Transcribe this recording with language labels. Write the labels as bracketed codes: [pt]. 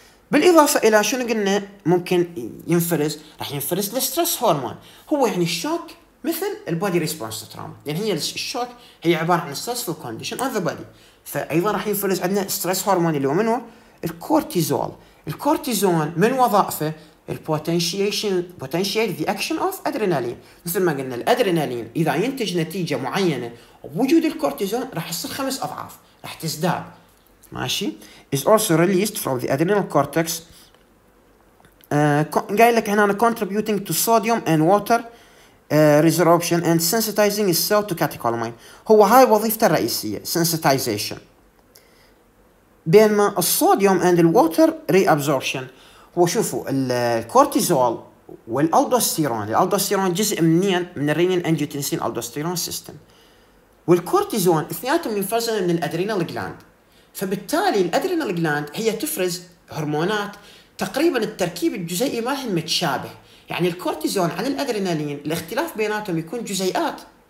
[ar] بالإضافة إلى شنو قلنا ممكن ينفرز, راح ينفرز الستريس هرمون, هو يعني الشوك مثل البادي ريسبونس تراما, يعني هي الشوك هي عبارة عن [en] stressful condition on the body, [ar] فأيضا راح ينفرز عندنا ستريس هرمون اللي هو منه الكورتيزول. الكورتيزون من وظائفه [en] potentiate the action of adrenaline. [ar] مثل ما قلنا الادرينالين اذا ينتج نتيجه معينه بوجود الكورتيزون راح يصير 5 أضعاف, راح تزداد. ماشي. [en] is also released from the adrenal cortex [ar] قايل لك هنا [en] contributing to sodium and water resorption and sensitizing the cell to catecholamine, [ar] هو هاي وظيفته الرئيسيه [en] sensitization, [ar] بينما الصوديوم [en] and the water reabsorption. [ar] وشوفوا الكورتيزول والالدوستيرون, الالدوستيرون جزء منين؟ من الرينين انجيوتينسين الدوستيرون سيستم, والكورتيزون اثنيناتهم ينفرزون من الادرينال جلاند, فبالتالي الادرينال جلاند هي تفرز هرمونات تقريبا التركيب الجزيئي مالهم متشابه, يعني الكورتيزون عن الادرينالين الاختلاف بيناتهم يكون جزيئات